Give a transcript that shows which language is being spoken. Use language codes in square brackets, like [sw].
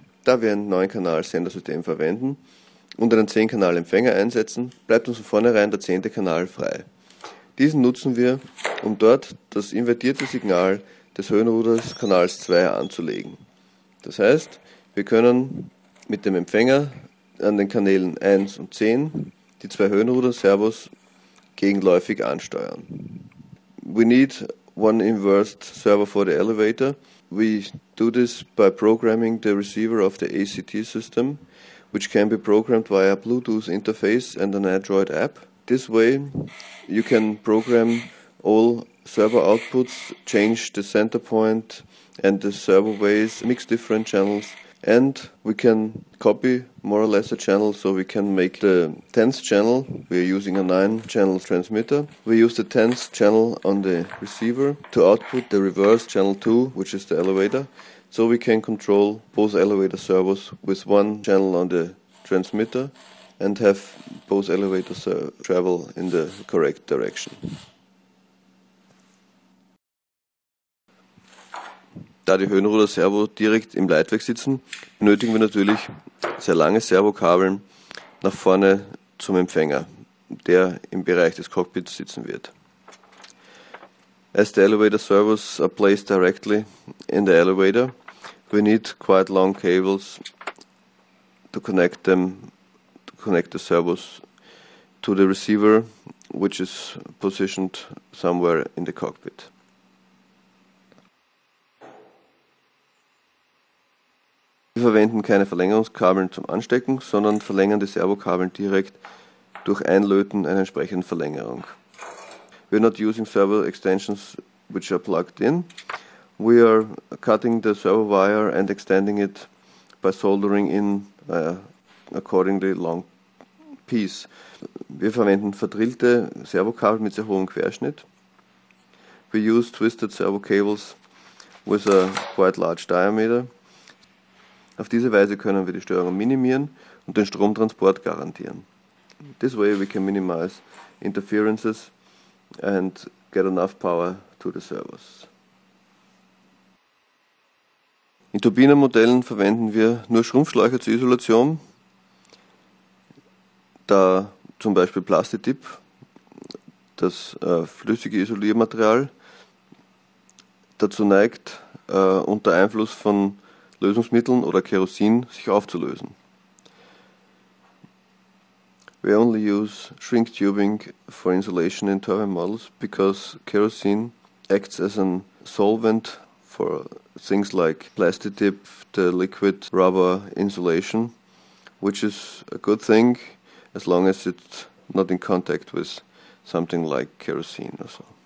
[de] Da wir ein 9-Kanal-Sendersystem verwenden und einen 10-Kanal-Empfänger einsetzen, bleibt uns von vornherein der 10. Kanal frei. Diesen nutzen wir, um dort das invertierte Signal des Höhenruders Kanals 2 anzulegen. Das heißt, wir können mit dem Empfänger an den Kanälen 1 und 10 die zwei Höhenruder-Servos gegenläufig ansteuern. [en] We need one inverse servo for the elevator. We do this by programming the receiver of the ACT system, which can be programmed via Bluetooth interface and an Android app. This way, you can program all servo outputs, change the center point and the servo ways, mix different channels, and we can copy more or less a channel, so we can make the 10th channel. We are using a 9-channel transmitter. We use the 10th channel on the receiver to output the reverse channel 2, which is the elevator, so we can control both elevator servos with one channel on the transmitter and have both elevators travel in the correct direction. [de] Da die Höhenruder-Servo direkt im Leitwerk sitzen, benötigen wir natürlich sehr lange Servokabel nach vorne zum Empfänger, der im Bereich des Cockpits sitzen wird. [en] As the elevator servos are placed directly in the elevator, we need quite long cables to connect them, to connect the servos to the receiver, which is positioned somewhere in the cockpit. [de] Wir verwenden keine Verlängerungskabeln zum Anstecken, sondern verlängern die Servokabeln direkt durch Einlöten einer entsprechenden Verlängerung. [en] We are not using servo extensions which are plugged in. We are cutting the servo wire and extending it by soldering in accordingly long piece. [de] Wir verwenden verdrillte Servokabel mit sehr hohem Querschnitt. [en] We use twisted servo cables with a quite large diameter. [de] Auf diese Weise können wir die Störungen minimieren und den Stromtransport garantieren. [en] This way we can minimize interferences and get enough power to the servos. [de] In Turbinenmodellen verwenden wir nur Schrumpfschläuche zur Isolation, da zum Beispiel Plastidip, das flüssige Isoliermaterial, dazu neigt, unter Einfluss von Lösungsmitteln oder Kerosin sich aufzulösen. [en] We only use shrink tubing for insulation in turbine models because kerosin acts as a solvent for things like Plastidip, the liquid rubber insulation, which is a good thing as long as it's not in contact with something like kerosin or so.